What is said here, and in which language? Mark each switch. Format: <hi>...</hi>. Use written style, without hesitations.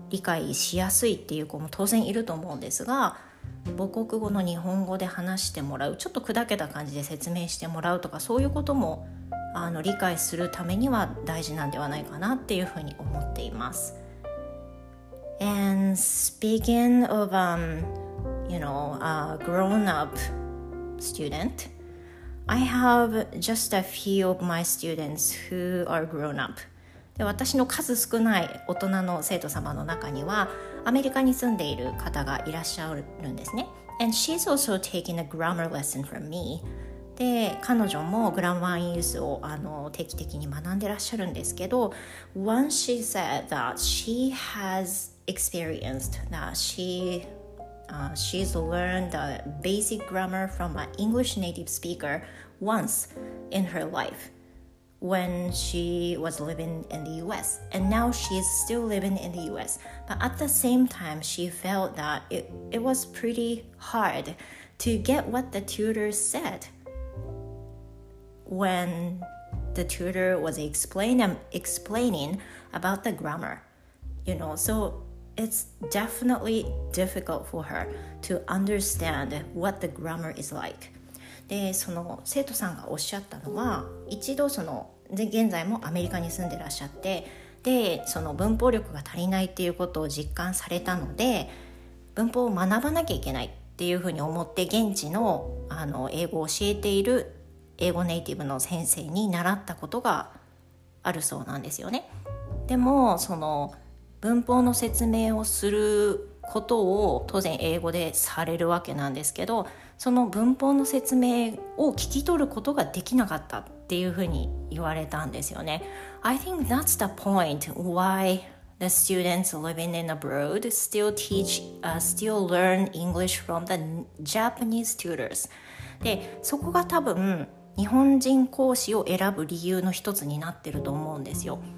<ja>理解しやすいっていう子も当然いると思うんですが、母国語の日本語で話してもらう、ちょっと砕けた感じで説明してもらうとか、そういうことも理解するためには大事なんではないかなっていうふうに思っています。</ja> <en>And speaking of grown up student, I have just a few of my students who are grown up.</en> <ja>で、私の数少ない大人の生徒様の中にはアメリカに住んでいる方がいらっしゃるんですね。</ja> <en>And she's also taking a grammar lesson from me.</en> <ja>で、彼女もグラマーインユースを定期的に学んでらっしゃるんですけど、</ja> <en>Once she said that she has experienced that she's learned the basic grammar from an English native speaker once in her life when she was living in the US. And now she is still living in the US. But at the same time, she felt that it was pretty hard to get what the tutor said when the tutor was explaining about the grammar. You know, soIt's definitely difficult for her to understand what the grammar is like.</en> <ja>で、その生徒さんがおっしゃったのは、一度その現在もアメリカに住んでらっしゃって、で、その文法力が足りないっていうことを実感されたので、文法を学ばなきゃいけないっていうふうに思って、現地の英語を教えている英語ネイティブの先生に習ったことがあるそうなんですよね。でも、その文法の説明をすることを当然英語でされるわけなんですけど、その文法の説明を聞き取ることができなかったっていうふうに言われたんですよね。</ja> <en>I think that's the point why the students living in abroad still learn English from the Japanese tutors.</en> <ja>で、そこが多分日本人講師を選ぶ理由の一つになってると思うんですよ。</ja>